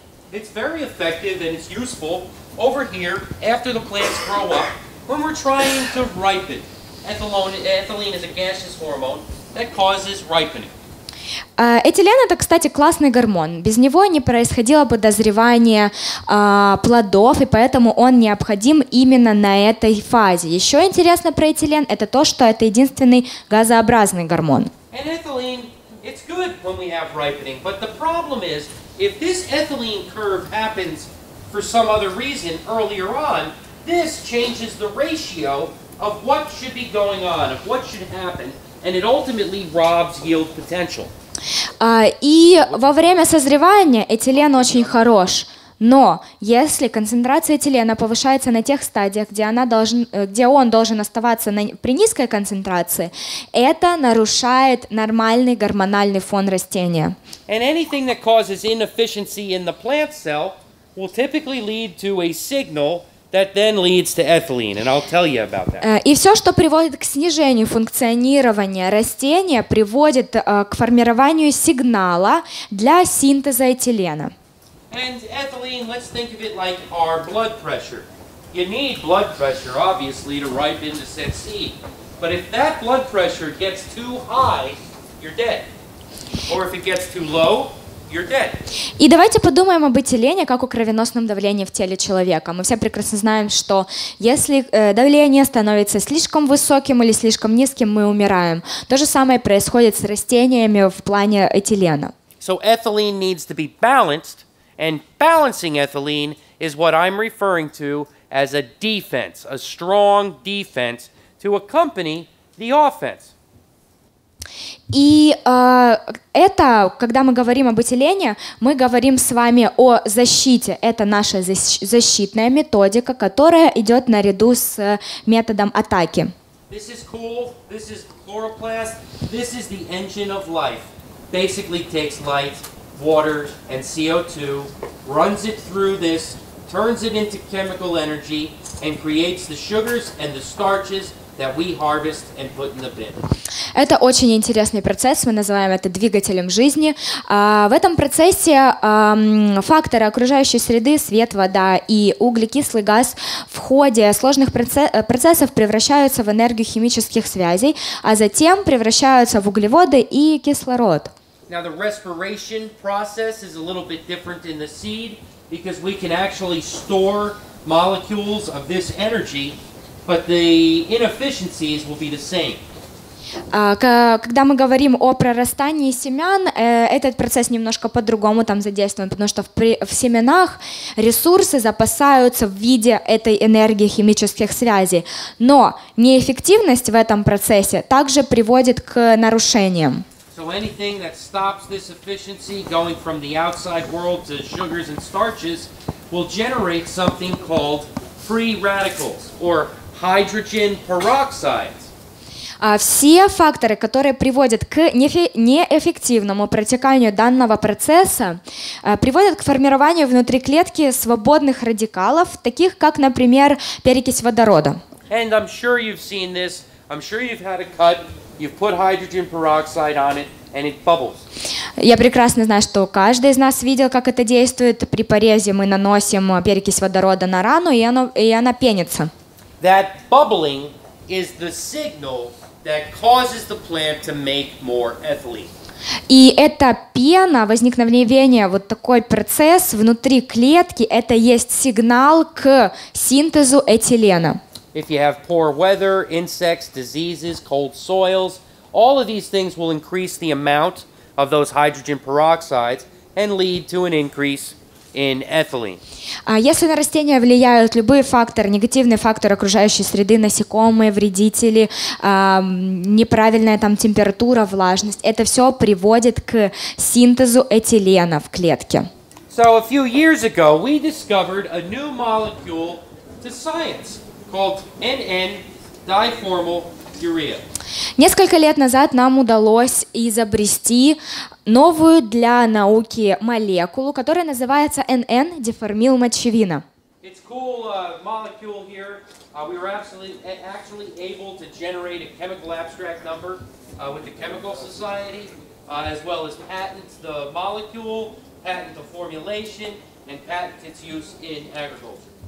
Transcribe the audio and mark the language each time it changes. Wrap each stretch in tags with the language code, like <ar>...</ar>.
<en>It's very effective and it's useful over here after the plants grow up when we're trying to ripen. Ethylene is a gaseous hormone that causes ripening.</en> <ru>Этилен – это, кстати, классный гормон. Без него не происходило бы дозревание плодов, и поэтому он необходим именно на этой фазе. Еще интересно про этилен – это то, что это единственный газообразный гормон.</ru> <en>And ethylene, it's good when we have ripening, but the problem is, if this ethylene curve happens for some other reason earlier on, this changes the ratio of what should be going on, of what should happen, and it ultimately robs yield potential.</en> <ru>И во время созревания этилен очень хорош, но если концентрация этилена повышается на тех стадиях, где он должен оставаться при низкой концентрации, это нарушает нормальный гормональный фон растения.</ru> <en>And anything that causes inefficiency in the plant cell will typically lead to a signal that then leads to ethylene, and I'll tell you about that.</en> <ru>И все, что приводит к снижению функционирования растения, приводит к формированию сигнала для синтеза этилена.</ru> <en>And ethylene, let's think of it like our blood pressure. You need blood pressure, obviously, to ripen the set seed. But if that blood pressure gets too high, you're dead. Or if it gets too low, you're dead.</en> <ru>И давайте подумаем об этилене как о кровеносном давлении в теле человека. Мы все прекрасно знаем, что если давление становится слишком высоким или слишком низким, мы умираем. То же самое происходит с растениями в плане этилена.</ru> <en>So ethylene needs to be balanced, and balancing ethylene is what I'm referring to as a defense, a strong defense to accompany the offense.</en> <ru>И это, когда мы говорим об этилене, мы говорим с вами о защите. Это наша защитная методика, которая идет наряду с методом атаки.</ru> <en>This is cool. This is chloroplast. This is the engine of life. Basically takes light, water, and CO2, runs it through this, turns it into chemical energy, and creates the sugars and the starches that we harvest and put in the bin.</en> <ru>Это очень интересный процесс, мы называем это двигателем жизни. В этом процессе факторы окружающей среды, свет, вода и углекислый газ в ходе сложных процессов превращаются в энергию химических связей, а затем превращаются в углеводы и кислород.</ru> <en>Now the respiration process is a little bit different in the seed because we can actually store molecules of this energy, but the inefficiencies will be the same.</en> <ru>Когда мы говорим о прорастании семян, этот процесс немножко по-другому там задействован, потому что в семенах ресурсы запасаются в виде этой энергии химических связей. Но неэффективность в этом процессе также приводит к нарушениям.</ru> <en>So anything that stops this efficiency going from the outside world to sugars and starches will generate something called free radicals or hydrogen peroxide.</en> <ru>Все факторы, которые приводят к неэффективному протеканию данного процесса, приводят к формированию внутри клетки свободных радикалов, таких как, например, перекись водорода.</ru> <en>And I'm sure you've seen this. I'm sure you've had a cut. You've put hydrogen peroxide on it, and it bubbles.</en> <ru>Я прекрасно знаю, что каждый из нас видел, как это действует. При порезе мы наносим перекись водорода на рану, и она пенится.</ru> <en>That bubbling is the signal that causes the plant to make more ethylene.</en> <ru>И эта пена, возникновение, вот такой процесс внутри клетки, это есть сигнал к синтезу этилена.</ru> <en>If you have poor weather, insects, diseases, cold soils, all of these things will increase the amount of those hydrogen peroxides and lead to an increase in ethylene.</en> <ru>Если на растения влияют любые факторы, негативные факторы окружающей среды, насекомые, вредители, неправильная там температура, влажность, это все приводит к синтезу этилена в клетке.</ru> <en>So a few years ago we discovered a new molecule to science called NN diformyl urea.</en> <ru>Несколько лет назад нам удалось изобрести новую для науки молекулу, которая называется NN диформил мочевина.</ru> <en>It's cool molecule here. We were actually able to generate a chemical abstract number with the Chemical Society, as well as patent the molecule, patent the formulation, and patent its use in agriculture.</en>